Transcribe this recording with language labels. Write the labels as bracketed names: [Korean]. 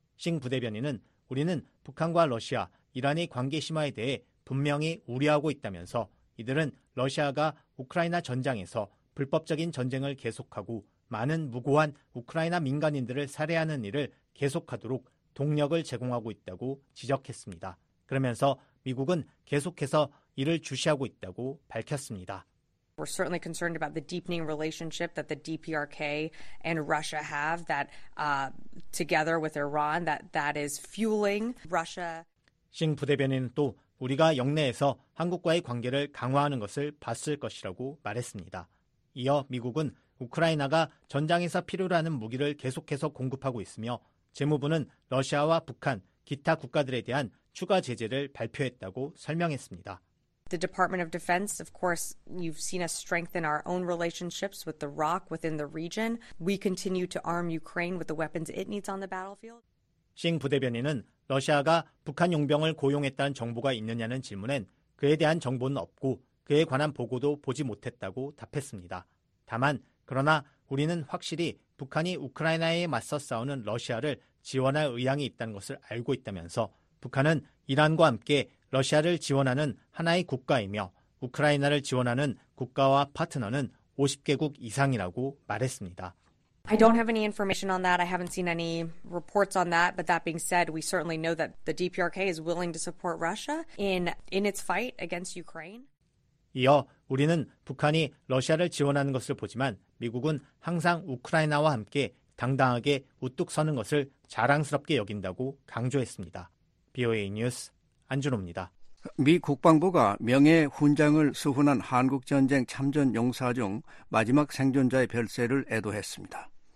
[Korean] 싱 부대변인은 우리는 북한과 러시아, 이란의 관계 심화에 대해 분명히 우려하고 있다면서 이들은 러시아가 우크라이나 전장에서 불법적인 전쟁을 계속하고 많은 무고한 우크라이나 민간인들을 살해하는 일을 계속하도록 동력을 제공하고 있다고 지적했습니다. 그러면서 미국은 계속해서 이를 주시하고 있다고 밝혔습니다. [English] We're certainly concerned about the deepening relationship that the DPRK and Russia have that together with Iran that is fueling Russia. [Korean] 싱 부대변인은 또 우리가 영내에서 한국과의 관계를 강화하는 것을 봤을 것이라고 말했습니다. 이어 미국은 우크라이나가 전장에서 필요로 하는 무기를 계속해서 공급하고 있으며 재무부는 러시아와 북한, 기타 국가들에 대한 추가 제재를 발표했다고 설명했습니다. [English] The Department of Defense, of course, you've seen us strengthen our own relationships with the ROC within the region. We continue to arm Ukraine with the weapons it needs on the battlefield. [Korean] 싱 부대변인은 러시아가 북한 용병을 고용했다는 정보가 있느냐는 질문엔 그에 대한 정보는 없고 그에 관한 보고도 보지 못했다고 답했습니다. 다만 그러나 우리는 확실히 북한이 우크라이나에 맞서 싸우는 러시아를 지원할 의향이 있다는 것을 알고 있다면서 북한은 이란과 함께 러시아를 지원하는 하나의 국가이며 우크라이나를 지원하는 국가와 파트너는 50개국 이상이라고 말했습니다. [English] I don't have any information on that. I haven't seen any reports on that. But that being said, we certainly know that the DPRK is willing to support Russia in its fight against Ukraine. [Korean] 이어 우리는 북한이 러시아를 지원하는 것을 보지만 미국은 항상 우크라이나와 함께 당당하게 우뚝 서는 것을 자랑스럽게 여긴다고 강조했습니다. BOA 뉴스 안준호입니다. 미 국방부가 명예 훈장을 수훈한 한국전쟁 참전용사 중 마지막 생존자의 별세를 애도했습니다.